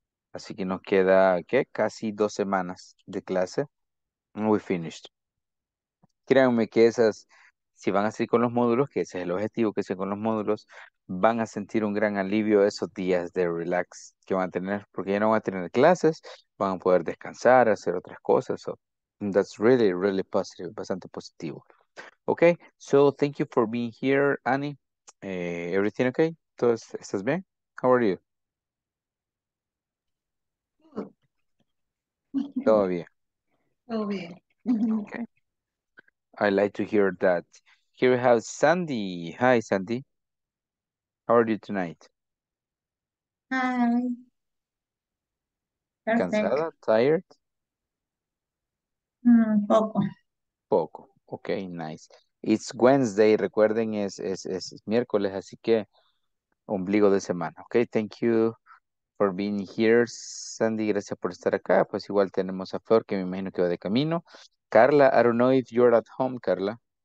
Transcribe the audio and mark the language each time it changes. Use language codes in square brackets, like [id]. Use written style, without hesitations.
[es] Así que nos queda, ¿qué? Casi 2 semanas de clase. [en] We finished. [es] Créanme que esas, si van a seguir con los módulos, que ese es el objetivo, que sean con los módulos, van a sentir un gran alivio esos días de relax que van a tener, porque ya no van a tener clases, van a poder descansar, hacer otras cosas. [en] So, that's really, really positive, [es] bastante positivo. [en] Ok, so thank you for being here, Annie. Everything okay? [es] ¿Todo, estás bien? [en] How are you? [es] Todo bien. Todo bien. [en] Okay. I like to hear that. Here we have Sandy. Hi, Sandy. How are you tonight? Hi. Perfect. [es] ¿Cansada? ¿Tired? Poco. [en] Poco. Okay, nice. It's Wednesday. [es] Recuerden, es miércoles, así que ombligo de semana. [en] Okay, thank you for being here, Sandy, [es] gracias por estar acá. Pues igual tenemos a Flor, que me imagino que va de camino. [en] Carla, I don't know if you're at home, Carla.